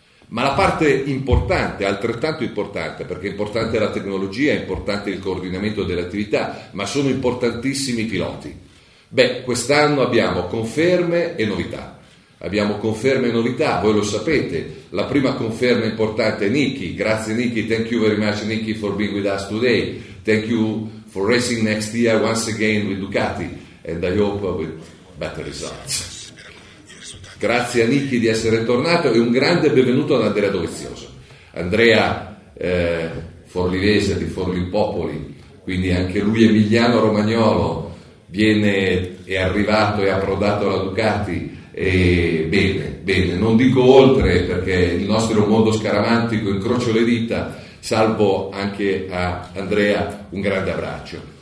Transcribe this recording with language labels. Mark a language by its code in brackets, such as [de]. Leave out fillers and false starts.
[it] Ma la parte importante, altrettanto importante, perché è importante la tecnologia, è importante il coordinamento delle attività, ma sono importantissimi i piloti. Beh, quest'anno abbiamo conferme e novità. Abbiamo conferme e novità, voi lo sapete. La prima conferma importante è Nicky. Grazie [en] Nicky, thank you very much Nicky for being with us today. Thank you for racing next year once again with Ducati. And I hope with better results. [it] Grazie a Nicky di essere tornato e un grande benvenuto ad Andrea Dovizioso. Andrea forlivese di Forlimpopoli, quindi anche lui emiliano romagnolo, viene, è arrivato e approdato alla Ducati e bene, bene, non dico oltre perché il nostro è un mondo scaramantico, incrocio le dita, salvo anche a Andrea un grande abbraccio.